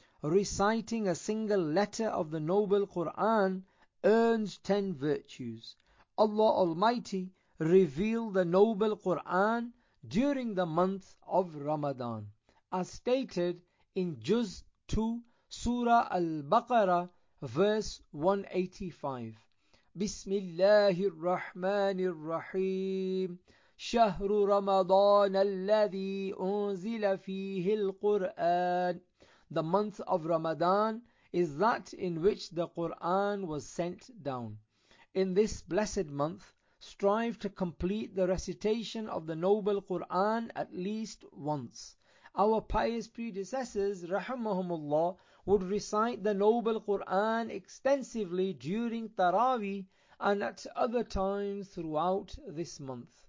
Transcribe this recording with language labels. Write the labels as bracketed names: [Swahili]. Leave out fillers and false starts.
[English] Reciting a single letter of the Noble Quran earns 10 virtues. Allah Almighty revealed the Noble Quran during the month of Ramadan, as stated in Juz 2, Surah Al-Baqarah, Verse 185. [Arabic] بسم الله الرحمن الرحيم شهر رمضان الذي أنزل فيه القرآن. [English] The month of Ramadan is that in which the Quran was sent down. In this blessed month, strive to complete the recitation of the Noble Quran at least once. Our pious predecessors, rahimahumullah, would recite the Noble Quran extensively during Taraweeh and at other times throughout this month.